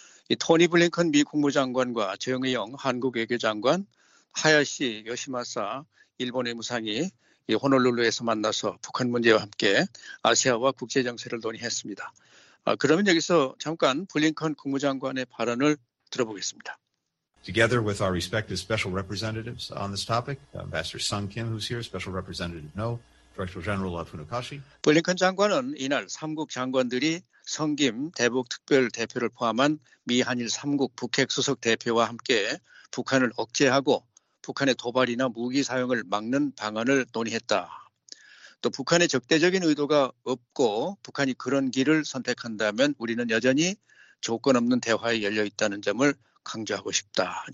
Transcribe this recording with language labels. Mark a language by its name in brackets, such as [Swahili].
[Korean] 이 토니 블링컨 미 국무장관과 정의용 한국 외교장관, 하야시 요시마사 일본의 무상이 이 호놀룰루에서 만나서 북한 문제와 함께 아시아와 국제 정세를 논의했습니다. 그러면 여기서 잠깐 블링컨 국무장관의 발언을 들어보겠습니다. [English] Together with our respective special representatives on this topic, Ambassador Sung Kim, who's here, Special Representative No, Director General Funakoshi. [Korean] 블링컨 장관은 이날 3국 장관들이 성 김, 대북 특별 대표를 포함한 미한일 3국 북핵 수석 대표와 함께 북한을 억제하고 북한의 도발이나 무기 사용을 막는 방안을 논의했다. 또 북한의 적대적인 의도가 없고 북한이 그런 길을 선택한다면 우리는 여전히 조건 없는 대화에 열려 있다는 점을 강조하고 싶다.